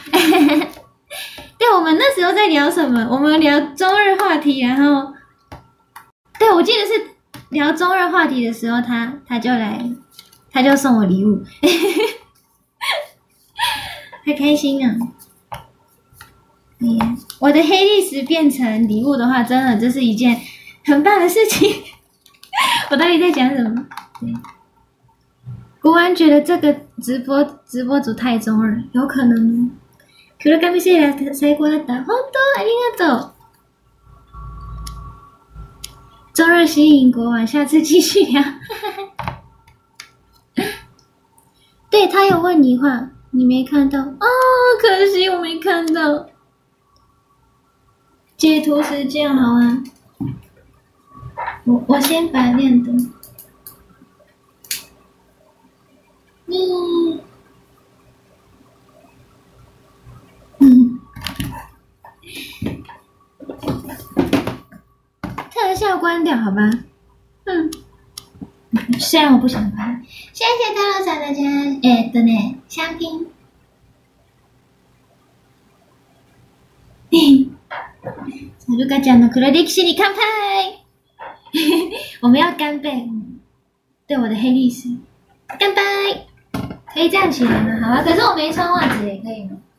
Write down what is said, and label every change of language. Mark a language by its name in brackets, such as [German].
[Chinese] 对，我们那时候在聊什么？我们聊中日话题，然后，对，我记得是聊中日话题的时候，他就送我礼物，太开心了。哎呀，我的黑历史变成礼物的话，真的这是一件很棒的事情。我到底在讲什么？国王觉得这个直播组太中二，有可能。 그러가면서일하다살고왔다 [Japanese] 本当ありがとう。 [Chinese] 中二吸引国王，下次继续聊。对，他有问你话，你没看到啊？可惜我没看到。截图时间好啊。我先把亮灯。特效关掉好吧。虽然我不想关。谢谢大老板的家呢香槟。嘿。 [Japanese] ルカちゃんの黒歴史に乾杯。 [Chinese] 我们要干杯，对我的黑历史，干杯！可以站起来吗？好啊，可是我没穿袜子耶，可以吗？